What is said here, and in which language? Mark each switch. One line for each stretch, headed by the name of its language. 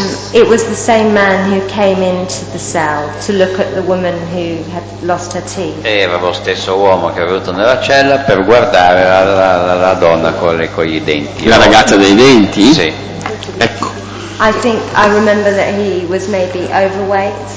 English: It was the same man who came into the cell to look at the woman who had lost her teeth.
Italian: Era lo stesso uomo che era venuto nella cella per guardare la donna con i denti. La ragazza dei denti? Sì. Ecco.
English: I think I remember that he was maybe overweight.